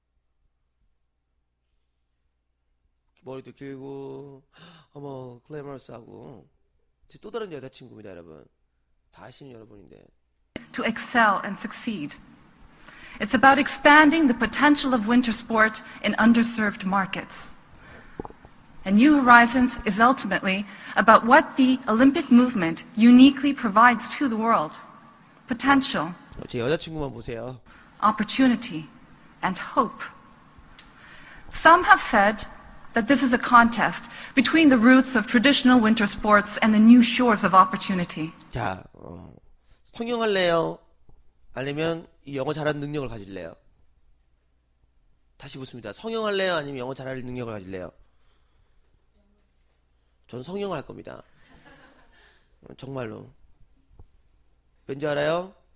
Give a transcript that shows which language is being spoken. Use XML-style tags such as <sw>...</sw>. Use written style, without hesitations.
<ko>머리도 길고, 어머, 글래머러스하고. 제 또 다른 여자친구입니다, 여러분. 다 아시는 여러분인데.</ko> <en>To excel and succeed. It's about expanding the potential of winter sport in underserved markets. And New Horizons is ultimately about what the Olympic movement uniquely provides to the world. Potential.</en> <ko>제 여자친구만 보세요.</ko> <en>Opportunity and hope. Some have said that this is a contest between the roots of traditional winter sports and the new shores of opportunity.</en> <ko>자, 성형할래요? 아니면 이 영어 잘하는 능력을 가질래요? 다시 묻습니다. 성형할래요? 아니면 영어 잘하는 능력을 가질래요? 전 성형할 겁니다. 정말로. 왠지 알아요?</ko>